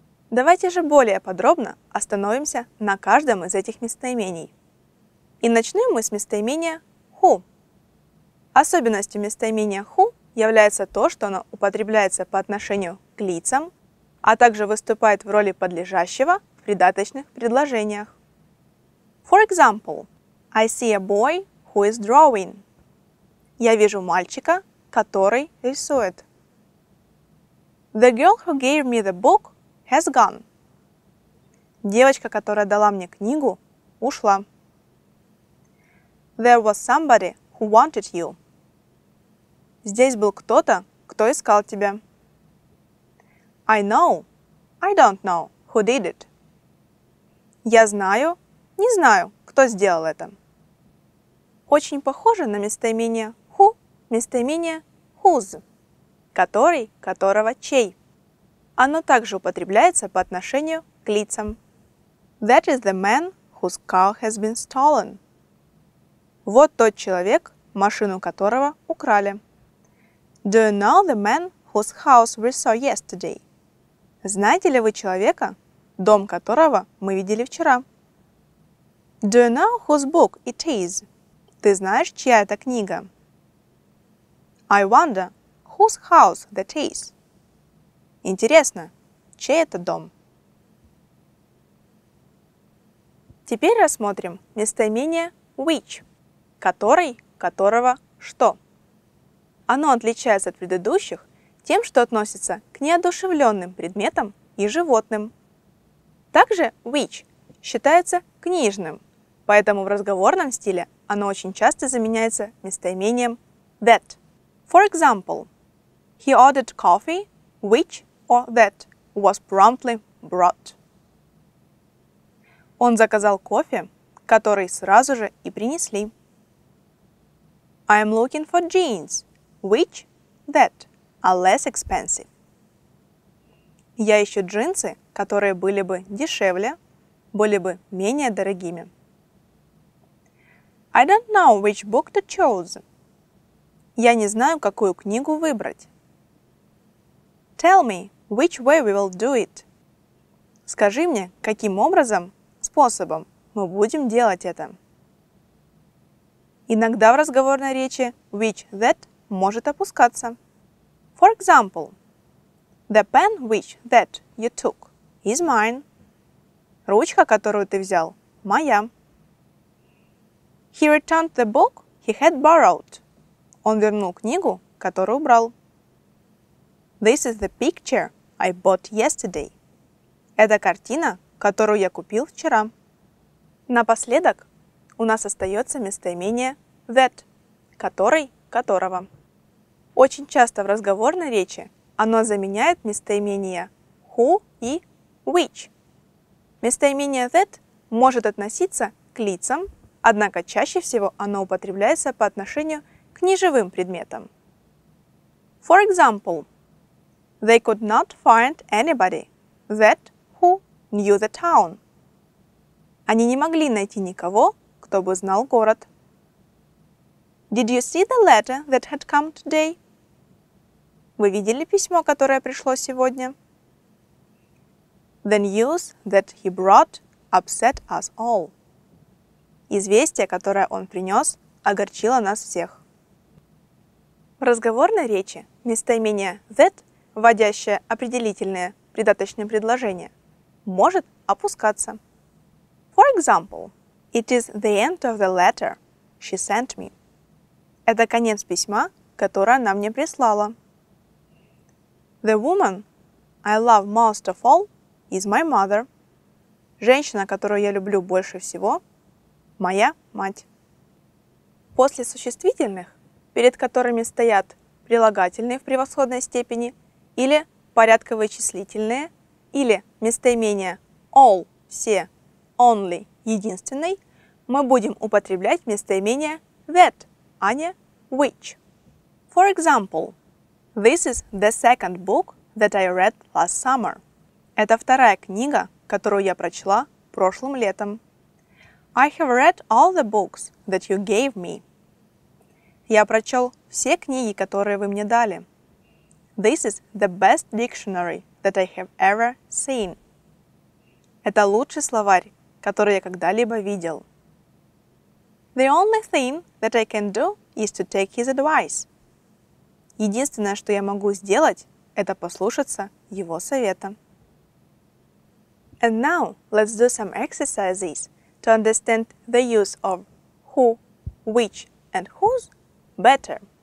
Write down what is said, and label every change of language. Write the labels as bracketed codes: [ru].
[ru] Давайте же более подробно остановимся на каждом из этих местоимений. И начнем мы с местоимения «who». Особенностью местоимения «who» является то, что оно употребляется по отношению к лицам, а также выступает в роли подлежащего в придаточных предложениях. [en] For example, I see a boy who is drawing. [ru] Я вижу мальчика, который рисует. [en] The girl who gave me the book has gone. [ru] Девочка, которая дала мне книгу, ушла. [en] There was somebody who wanted you. [ru] Здесь был кто-то, кто искал тебя. [en] I know. I don't know who did it. [ru] Я знаю, не знаю, кто сделал это. Очень похоже на местоимение who, местоимение whose, который, которого, чей. Оно также употребляется по отношению к лицам. [en] That is the man whose car has been stolen. [ru] Вот тот человек, машину которого украли. [en] Do you know the man whose house we saw yesterday? [ru] Знаете ли вы человека, дом которого мы видели вчера? [en] Do you know whose book it is? [ru] Ты знаешь, чья это книга? [en] I wonder whose house that is? [ru] Интересно, чей это дом? Теперь рассмотрим местоимение which, который, которого, что. Оно отличается от предыдущих тем, что относится к неодушевленным предметам и животным. Также which считается книжным, поэтому в разговорном стиле оно очень часто заменяется местоимением that. [en] For example, he ordered coffee, which or that was promptly brought. [ru] Он заказал кофе, который сразу же и принесли. [en] I am looking for jeans, which, that are less expensive. [ru] Я ищу джинсы, которые были бы дешевле, были бы менее дорогими. [en] I don't know which book to choose. [ru] Я не знаю, какую книгу выбрать. [en] Tell me, which way we will do it. [ru] Скажи мне, каким образом, способом мы будем делать это. Иногда в разговорной речи which, that может опускаться. [en] For example, the pen which that you took is mine. [ru] Ручка, которую ты взял, моя. [en] He returned the book he had borrowed. [ru] Он вернул книгу, которую брал. [en] This is the picture I bought yesterday. [ru] Это картина, которую я купил вчера. Напоследок у нас остается местоимение that, который, которого. Очень часто в разговорной речи оно заменяет местоимения who и which. Местоимение that может относиться к лицам, однако чаще всего оно употребляется по отношению к неживым предметам. [en] For example, they could not find anybody that who knew the town. [ru] Они не могли найти никого, кто бы знал город. [en] Did you see the letter that had come today? [ru] Вы видели письмо, которое пришло сегодня? [en] The news that he brought upset us all. [ru] Известие, которое он принес, огорчило нас всех. В разговорной речи местоимение that, вводящее определительное придаточное предложение, может опускаться. [en] For example, it is the end of the letter she sent me. [ru] Это конец письма, которое она мне прислала. [en] The woman I love most of all is my mother. [ru] Женщина, которую я люблю больше всего, моя мать. После существительных, перед которыми стоят прилагательные в превосходной степени, или порядковые числительные, или местоимения all, все, only, единственный, мы будем употреблять местоимение that, а не which. [en] For example, this is the second book that I read last summer. [ru] Это вторая книга, которую я прочла прошлым летом. [en] I have read all the books that you gave me. [ru] Я прочел все книги, которые вы мне дали. [en] This is the best dictionary that I have ever seen. [ru] Это лучший словарь, который я когда-либо видел. [en] The only thing that I can do is to take his advice. [ru] Единственное, что я могу сделать, это послушаться его совета. [en] And now let's do some exercises to understand the use of who, which and whose better.